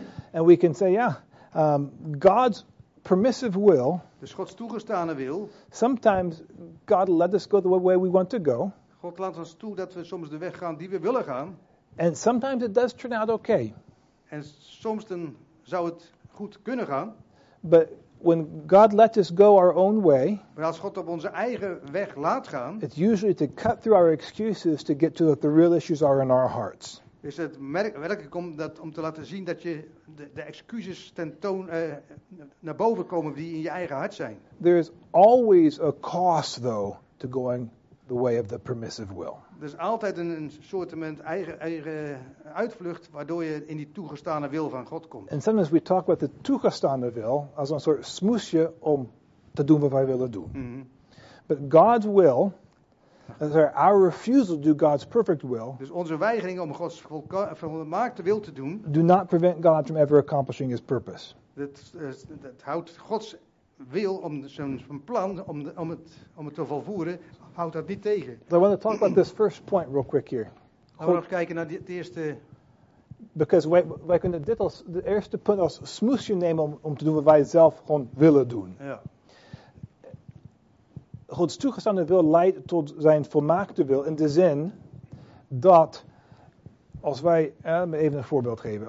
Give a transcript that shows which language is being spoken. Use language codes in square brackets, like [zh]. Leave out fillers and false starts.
[en] En we can say, God's permissive will. [nl] Dus Gods toegestane wil. [en] Sometimes God let us go the way we want to go. [nl] God laat ons toe dat we soms de weg gaan die we willen gaan. [en] And sometimes it does turn out okay. [nl] En soms dan zou het goed kunnen gaan. [en] But when God lets us go our own way. [nl] Maar als God op onze eigen weg laat gaan. [en] It's usually to cut through our excuses to get to what the real issues are in our hearts. [nl] Is het werkelijk om te laten zien dat je de excuses tentoon naar boven komen die in je eigen hart zijn. [en] There is always a cost though to going the way of the permissive will. [nl] Er is altijd een soort eigen uitvlucht waardoor je in die toegestane wil van God komt. [en] And sometimes we talk about the [nl] toegestane wil als een soort smoesje om te doen wat wij willen doen. Mm-hmm. [en] But God's will. Our refusal to do God's perfect will. [nl] Dus onze weigering om Gods volmaakte wil te doen. [en] Do not prevent God from ever accomplishing His purpose. [nl] Dat houdt Gods wil om zijn plan om het te volvoeren, houdt dat niet tegen. [en] So I want to talk about this first point real quick here. [nl] Laten we nog kijken naar het eerste. Because wij kunnen dit als de eerste punt als smoesje nemen om te doen wat wij zelf gewoon willen doen. Ja. Gods toegestaande wil leidt tot zijn volmaakte wil in de zin dat, als wij, even een voorbeeld geven.